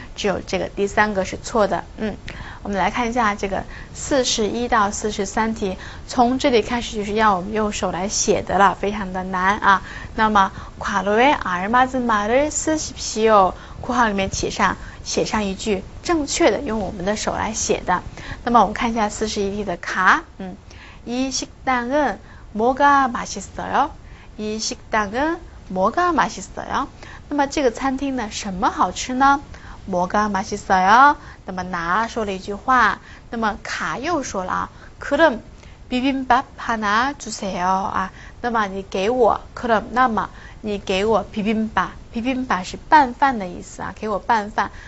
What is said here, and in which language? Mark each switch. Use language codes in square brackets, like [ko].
[zh] 只有这个第三个是错的。我们来看一下这个41到43题，从这里开始就是要我们用手来写的了，非常的难啊。那么 [ko] 괄호에알맞은말을쓰십시오， [zh] 括号里面写上一句正确的，用我们的手来写的。那么我们看一下41题的卡， [ko] 이식당은뭐가맛있어요？ 이식당은뭐가맛있어요？ [zh] 那么这个餐厅呢，什么好吃呢？ [ko] 뭐가맛있어요？ [zh] 那么拿说了一句话，那么卡又说了啊， [ko] 그럼비빔밥하나주세요 [zh] 啊，那么你给我，그럼那么你给我비빔밥，비빔밥是拌饭的意思啊，给我拌饭。